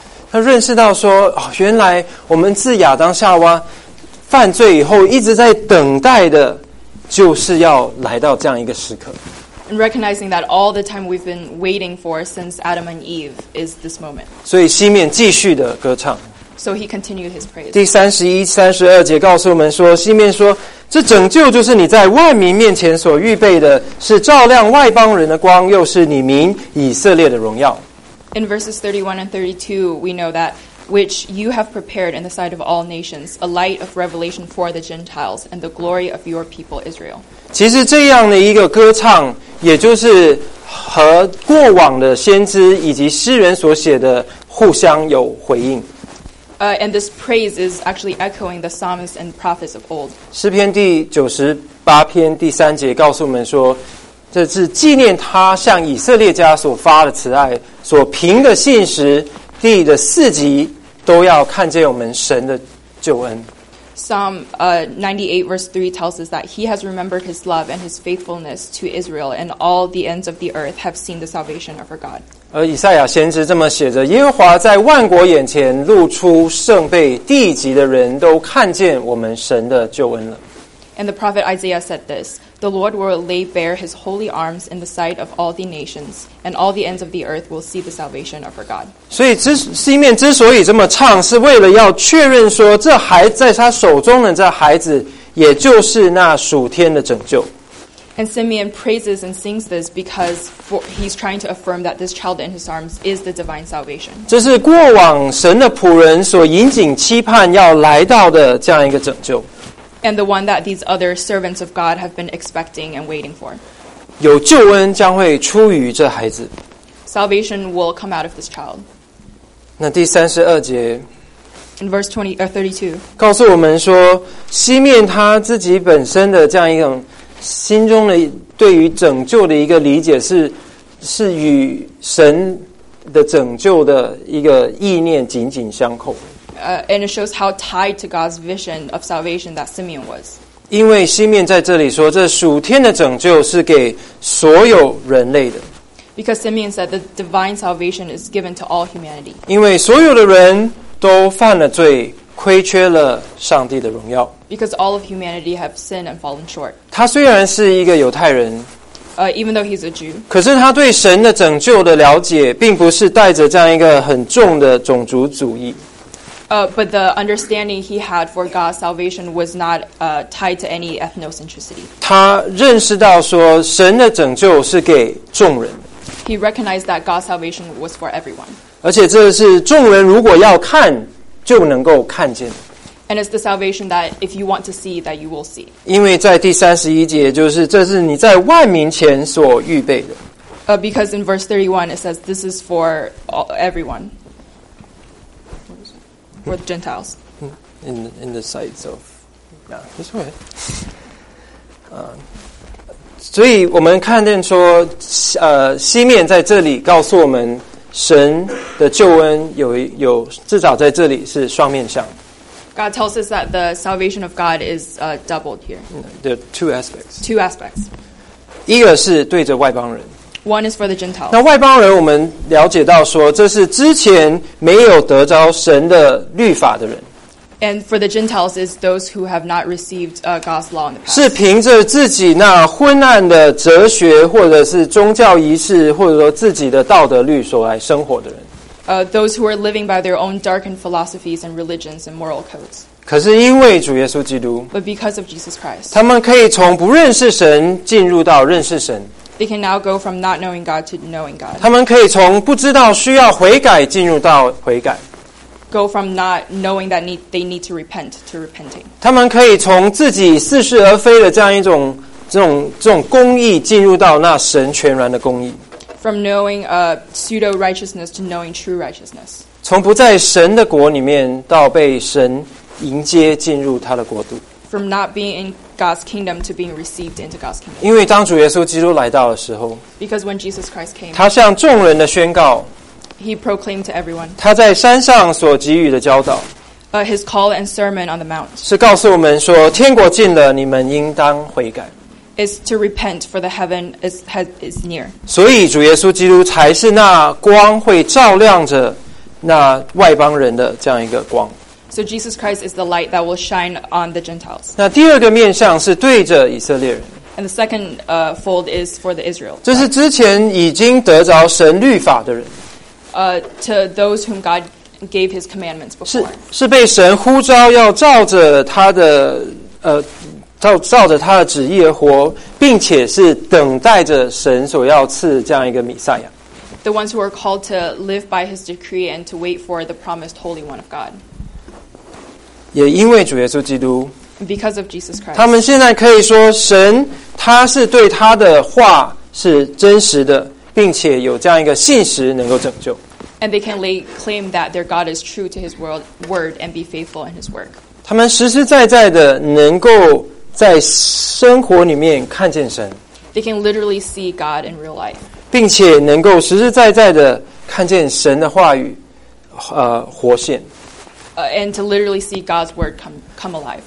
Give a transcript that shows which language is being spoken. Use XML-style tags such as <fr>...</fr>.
<zh>他认识到说，哦，原来我们自亚当夏娃。犯罪以后一直在等待的就是要来到这样一个时刻。</zh> <en>And recognizing that all the time we've been waiting for since Adam and Eve is this moment.</en> <zh>所以西面继续的歌唱。</zh> <en>So he continued his praise.</en> <zh>第31、32节告诉我们说，西面说，这拯救就是你在万民面前所预备的，是照亮外邦人的光，又是你民以色列的荣耀。</zh> <en>In verses 31 and 32, we know that which you have prepared in the sight of all nations, a light of revelation for the Gentiles and the glory of your people Israel.</en> <zh>其实这样的一个歌唱，也就是和过往的先知以及诗人所写的互相有回应。</zh> <en>And this praise is actually echoing the psalmists and prophets of old.</en> <zh>诗篇第98篇第三节告诉我们说，这是纪念他向以色列家所发的慈爱，所凭的信实。地的四极都要看见我们神的救恩。</zh> <en>Psalm 98 verse 3 tells us that he has remembered his love and his faithfulness to Israel, and all the ends of the earth have seen the salvation of our God.</en> <zh>而以赛亚先知这么写着：耶和华在万国眼前露出圣被，地极的人都看见我们神的救恩了。</zh> <en>And the prophet Isaiah said this: The Lord will lay bare his holy arms in the sight of all the nations, and all the ends of the earth will see the salvation of our God.</en> <zh>所以西面之所以这么唱，是为了要确认说，这孩在他手中的这孩子，也就是那属天的拯救。</zh> <en>And Simeon praises and sings this because he's trying to affirm that this child in his arms is the divine salvation.</en> <zh>这是过往神的仆人所引颈期盼要来到的这样一个拯救。</zh> <en>And the one that these other servants of God have been expecting and waiting for.</en> <zh>有救恩将会出于这孩子。</zh> <en>Salvation will come out of this child.</en> <zh>那第三十二节。</zh> <en>In verse 32.</en> <zh>告诉我们说，西面他自己本身的这样一种心中的对于拯救的一个理解是与神的拯救的一个意念紧紧相扣。</zh> <en>And it shows how tied to God's vision of salvation that Simeon was.</en> <zh>因为西面在这里说，这属天的拯救是给所有人类的。</zh> <en>Because Simeon said the divine salvation is given to all humanity.</en> <zh>因为所有的人都犯了罪，亏缺了上帝的荣耀。</zh> <en>Because all of humanity have sinned and fallen short.</en> <zh>他虽然是一个犹太人。</zh> <en>Even though he's a Jew.</en> <zh>可是他对神的拯救的了解，并不是带着这样一个很重的种族主义。</zh> <en>But the understanding he had for God's salvation was not tied to any ethnocentricity.</en> <zh>他认识到说神的拯救是给众人。</zh> <en>He recognized that God's salvation was for everyone.</en> <zh>而且这是众人如果要看就能够看见。</zh> <en>And it's the salvation that if you want to see, that you will see.</en> <zh>因为在第31节就是这是你在万民前所预备的。</zh> <en>Because in verse 31 it says this is for all, everyone. For the Gentiles. In the sights of... Yeah, this way.</en> <zh>所以我们看见说西面在这里告诉我们神的救恩 有至少在这里是双面向。</zh> <en>God tells us that the salvation of God is doubled here. There are two aspects. Two aspects.</en> <zh>一个是对着外邦人。</zh> <en>One is for the Gentiles.</en> <zh>那外邦人我们了解到说这是之前没有得着神的律法的人。</zh> <en>And for the Gentiles is those who have not received God's law in the past.</en> <zh>是凭着自己那昏暗的哲学或者是宗教仪式或者说自己的道德律所来生活的人。</zh> <en>Those who are living by their own darkened philosophies and religions and moral codes.</en> <zh>可是因为主耶稣基督</zh> <en>But because of Jesus Christ.</en> <zh>他们可以从不认识神进入到认识神。</zh> <en>They can now go from not knowing God to knowing God.</en> <zh>他们可以从不知道需要悔改进入到悔改。</zh> <en>Go from not knowing that they need to repent to repenting.</en> <zh>他们可以从自己似是而非的这样一种这种公义进入到那神全然的公义。</zh> <en>From knowing a pseudo righteousness to knowing true righteousness.</en> <zh>从不在神的国里面到被神迎接进入他的国度。</zh> <en>From not being in God's kingdom to being received into God's kingdom.</en> <zh>因为当主耶稣基督来到的时候</zh> <en>Because when Jesus Christ came,</en> <zh>他向众人的宣告</zh> <en>He proclaimed to everyone.</en> <zh>他在山上所给予的教导</zh> <en>His call and sermon on the mount.</en> <zh>是告诉我们说天国近了你们应当悔改</zh> <en>Is to repent for the heaven is near.</en> <zh>所以主耶稣基督才是那光会照亮着那外邦人的这样一个光。</zh> <en>So Jesus Christ is the light that will shine on the Gentiles.</en> <zh>那第二个面向是对着以色列人。</zh> <en>And the second fold is for the Israel.</en> <zh>这是之前已经得着神律法的人。</zh> <en>To those whom God gave his commandments before.</en> <zh>是被神呼召要照着他的照着他的旨意而活，并且是等待着神所要赐这样一个弥赛亚。</zh> <en>The ones who are called to live by his decree and to wait for the promised Holy One of God.</en> <zh>也因为主耶稣基督</zh> <en>Because of Jesus Christ.</en> <zh>他们现在可以说神他是对他的话是真实的并且有这样一个信实能够拯救</zh> <en>And they can lay claim that their God is true to his word and be faithful in his work.</en> <zh>他们实实在在的能够在生活里面看见神</zh> <en>They can literally see God in real life.</en> <zh>并且能够实实在在的看见神的话语活现</zh> <en>And to literally see God's word come alive.</en>